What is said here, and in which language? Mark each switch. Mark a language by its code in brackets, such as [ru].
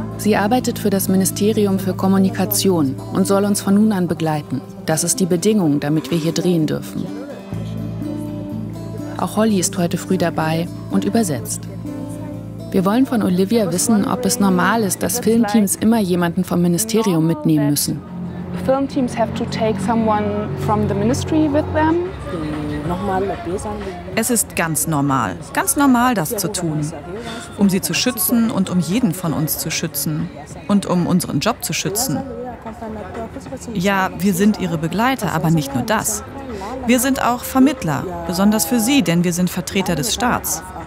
[de] Sie arbeitet für das Ministerium für Kommunikation und soll uns von nun an begleiten. Das ist die Bedingung, damit wir hier drehen dürfen. Auch Holly ist heute früh dabei und übersetzt. Wir wollen von Olivia wissen, ob es normal ist, dass Filmteams immer jemanden vom Ministerium mitnehmen müssen. [en] Filmteams have to take someone from the ministry with them. [de] Es ist ganz normal, das zu tun, um sie zu schützen und um jeden von uns zu schützen und um unseren Job zu schützen. Ja, wir sind ihre Begleiter, aber nicht nur das. Wir sind auch Vermittler, besonders für sie, denn wir sind Vertreter des Staats.